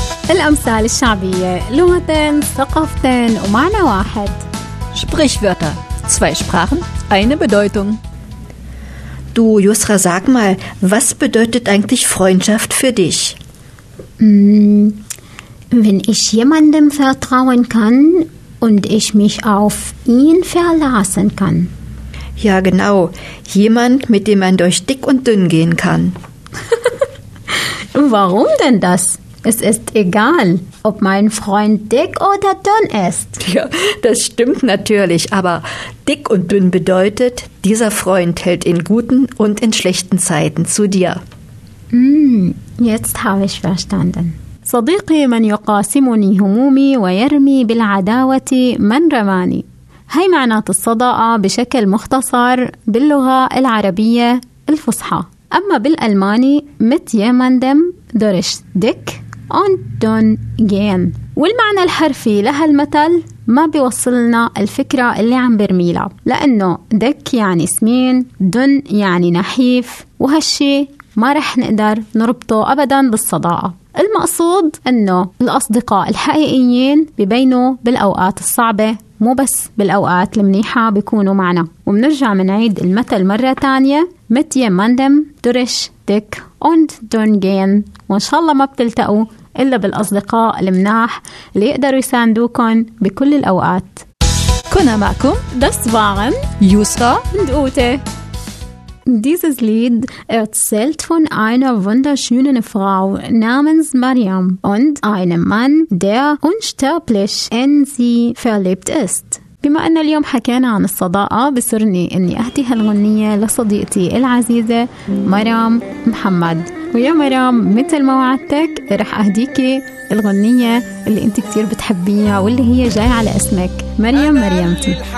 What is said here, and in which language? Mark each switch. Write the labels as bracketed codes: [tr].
[ar] الأمثال الشعبية لغتين ثقافتين ومعنى واحد [de] Sprichwörter. Zwei Sprachen, eine Bedeutung. Du, Yusra, sag mal, was bedeutet eigentlich Freundschaft für dich? Wenn ich jemandem vertrauen kann und ich mich auf ihn verlassen kann. Ja, genau. Jemand, mit dem man durch dick und dünn gehen kann. Warum denn das? Es ist egal, ob mein Freund dick oder dünn ist. Ja, das stimmt natürlich, aber dick und dünn bedeutet, dieser Freund hält in guten und in schlechten Zeiten zu dir. Jetzt habe ich verstanden. [ar] صديقي من يقاسمني همومي ويرمي بالعداوة من رماني. هاي معنى الصداقة بشكل مختصر باللغة العربية الفصحى. أما بالألماني [de] mit jemandem durch dick und dünn gehen. [ar] والمعنى الحرفي لهالمثل ما بيوصلنا الفكرة اللي عم برميلها. لأنه dick يعني سمين, dünn يعني نحيف, وهالشي ما رح نقدر نربطه أبدا بالصداقة. المقصود أنه الأصدقاء الحقيقيين بيبينوا بالأوقات الصعبة, مو بس بالأوقات المنيحة بيكونوا معنا. ومنرجع منعيد المثل مرة تانية [de] mit jemandem durch dick und dünn gehen, [ar] وإن شاء الله ما بتلتقوا إلا بالأصدقاء المناح اللي يقدروا يساندوكم بكل الأوقات. كنا معكم [de] Das waren [ar] يوسف [de] und Ute. Dieses Lied erzählt von einer wunderschönen Frau namens Mariam und einem Mann, der unsterblich in sie verliebt ist. [ar] بما أن اليوم حكينا عن الصداقة بسرني أني أهدي هالغنية لصديقتي العزيزة مرام محمد. ويا مرام, مثل ما وعدتك رح أهديكي الغنية اللي أنت كتير بتحبيها واللي هي جاي على اسمك مريم مريمتي.